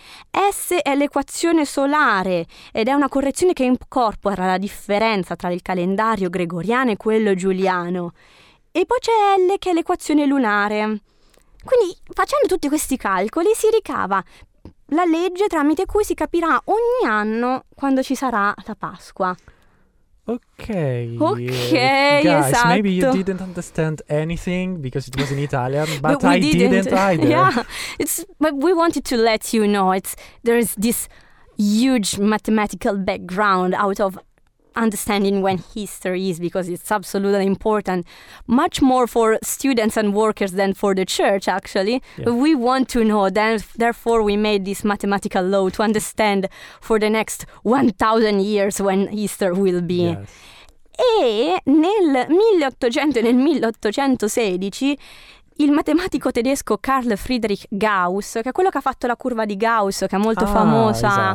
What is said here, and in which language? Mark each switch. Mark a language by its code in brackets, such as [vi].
[it] S è l'equazione solare ed è una correzione che incorpora la differenza tra il calendario gregoriano e quello giuliano. E poi c'è L, che è l'equazione lunare. Quindi, facendo tutti questi calcoli, si ricava la legge tramite cui si capirà ogni anno quando ci sarà la Pasqua. [en] Okay, guys, [it] esatto. [en] Maybe you didn't understand anything because it was in Italian, but I didn't either. Yeah, but we wanted to let you know there's this huge mathematical background out of understanding when history is, because it's absolutely important, much more for students and workers than for the church, actually. Yeah. But we want to know, therefore we made this mathematical law to understand for the next 1,000 years when Easter will be. Yes. [it] E nel 1816 il matematico tedesco Carl Friedrich Gauss, che è quello che ha fatto la curva di Gauss, che è molto famosa,